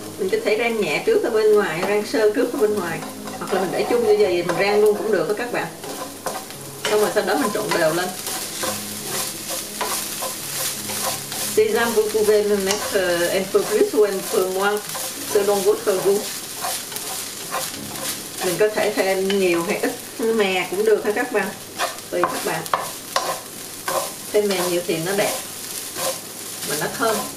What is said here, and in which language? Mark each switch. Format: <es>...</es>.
<vi>cho thấy rang nhẹ trước ở bên ngoài, rang sơ trước ở bên ngoài. Hoặc là mình để chung như vậy mình rang luôn cũng được đó các bạn. Xong rồi sau đó mình trộn đều lên.</vi> <fr>Ces âmes, vous pouvez le mettre un peu plus ou un peu moins, selon votre goût.</fr> <vi>Mình có thể thêm nhiều hay ít mè cũng được thôi các bạn, tùy các bạn. Thêm mè nhiều thì nó đẹp, mà nó thơm.</vi>